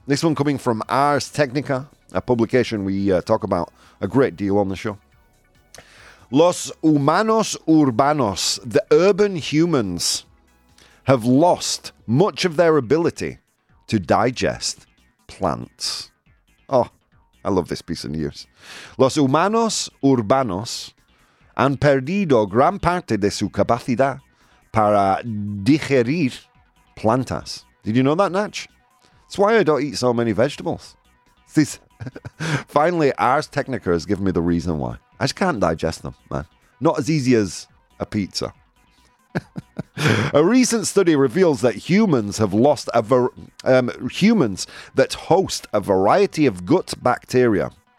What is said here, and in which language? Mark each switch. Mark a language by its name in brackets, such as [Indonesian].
[English] This one coming from Ars Technica, a publication we talk about a great deal on the show. [Spanish] Los humanos urbanos, [English] the urban humans, have lost much of their ability to digest plants. Oh, I love this piece of news. [Spanish] Los humanos urbanos han perdido gran parte de su capacidad para digerir plantas. [English] Did you know that, Natch? That's why I don't eat so many vegetables. This finally, Ars Technica has given me the reason why. I just can't digest them, man. Not as easy as a pizza. A recent study reveals that humans have lost humans that host a variety of gut bacteria.